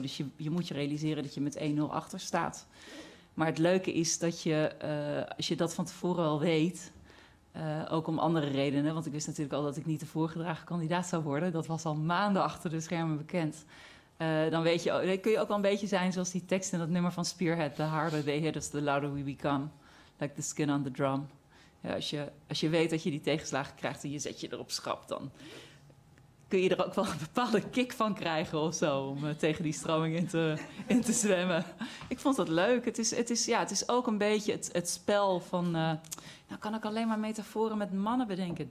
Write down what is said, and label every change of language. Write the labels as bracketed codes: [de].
[nl] Dus je moet je realiseren dat je met 1-0 achter staat. Maar het leuke is dat je, als je dat van tevoren al weet, ook om andere redenen, want ik wist natuurlijk al dat ik niet de voorgedragen kandidaat zou worden. Dat was al maanden achter de schermen bekend. Dan weet je, kun je ook wel een beetje zijn zoals die tekst in dat nummer van Spearhead. [en] The harder they hit us, the louder we become. Like the skin on the drum. [nl] Ja, als je weet dat je die tegenslagen krijgt en je zet je erop schrap, dan kun je er ook wel een bepaalde kick van krijgen of zo. Om tegen die stroming in te zwemmen. Ik vond dat leuk. Het is ook een beetje het spel van... Nou kan ik alleen maar metaforen met mannen bedenken.